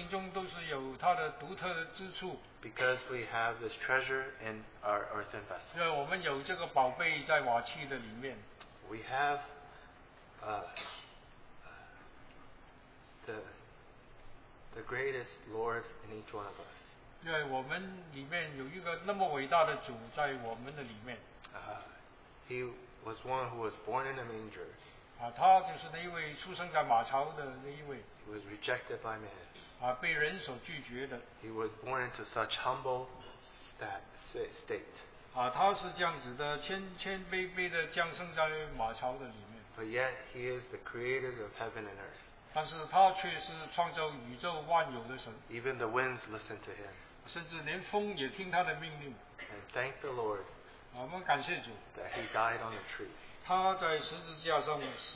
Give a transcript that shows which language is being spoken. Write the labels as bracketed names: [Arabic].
[Chinese] 最奇妙的就是我们每一个人的生命中都是有它的独特之处。 [English] Because we have this treasure in our earthen vessel. [Chinese] 因为我们有这个宝贝在瓦器的里面。 [English] We have the greatest Lord in each one of us. [Chinese] 因为我们里面有一个那么伟大的主在我们的里面。 [English] He was one who was born in a manger. [Chinese] 他就是那一位出生在马槽的那一位。 [English] He was rejected by man. [Chinese] 被人所拒绝的。 [English] He was born into such humble state. [Chinese] 他是这样子的，谦谦卑卑的降生在马槽的里面。 [English] But yet he is the creator of heaven and earth. Even the winds listen to him. And thank the Lord that he died on the tree.